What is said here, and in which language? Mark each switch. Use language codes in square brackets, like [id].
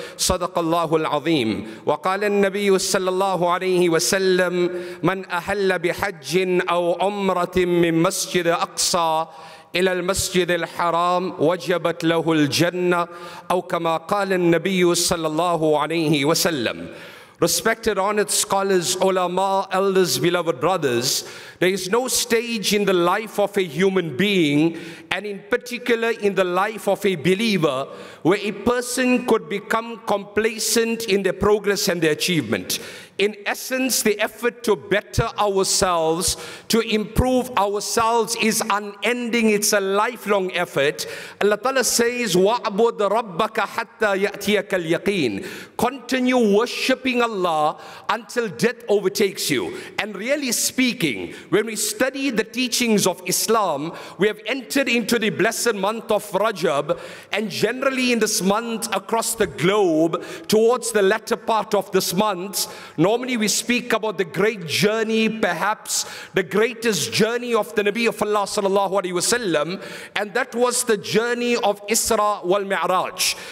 [ar] صدق الله العظيم. وقال النبي صلى الله عليه وسلم: من أهل بحج أو عمرة من مسجد أقصى إلى المسجد الحرام وجبت له الجنة، أو كما قال النبي صلى الله عليه وسلم. [en] Respected honored scholars, ulama, elders, beloved brothers, there is no stage in the life of a human being, and in particular in the life of a believer, where a person could become complacent in their progress and their achievement. In essence, the effort to better ourselves, to improve ourselves, is unending. It's a lifelong effort. Allah Ta'ala says, [ar] وَعْبُدْ رَبَّكَ حَتَّى يَأْتِيَكَ الْيَقِينَ. [en] Continue worshipping Allah until death overtakes you. And really speaking, when we study the teachings of Islam, we have entered into the blessed month of Rajab, and generally in this month across the globe, towards the latter part of this month, normally we speak about the great journey, perhaps the greatest journey of the Nabi of Allah sallallahu alaihi wasallam, and that was the journey of Isra wal Mi'raj.